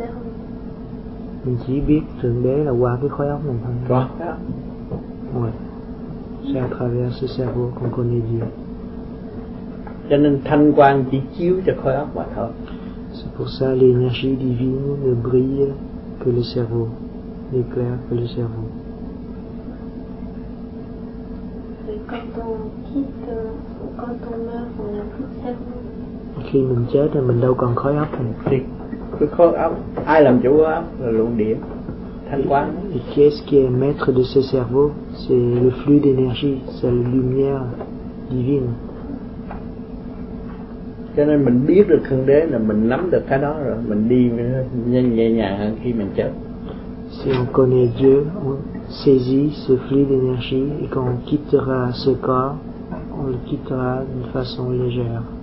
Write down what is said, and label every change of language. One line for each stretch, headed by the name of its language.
Vietnamese: cerveau. Mình chỉ biết Thượng Đế là qua cái khối óc mình thôi. Qua. Ouais.
French: C'est à travers ce cerveau qu'on connaît Dieu.
Vietnamese: Cho nên thanh quang chỉ chiếu cho khối óc mà thôi.
French: C'est pour ça l'énergie divine ne brille que le cerveau, n'éclaire que le cerveau. Et quand on quitte, quand on meurt, on n'a plus de cerveau.
Vietnamese: Khi mình chết thì mình đâu còn khói óc thành thì cái khói óc ai làm chủ óc là luồng điện thanh quán.
French: Et qu'est-ce qui est maître de ce cerveau? C'est le flux d'énergie, c'est la lumière divine.
Vietnamese: Cho nên mình biết được Thượng Đế là mình nắm được cái đó rồi, mình đi nhanh nhẹ nhàng hơn khi mình chết.
French: Si on connaît Dieu, on saisit ce flux d'énergie et quand on quittera ce corps, on le quittera d'une façon légère.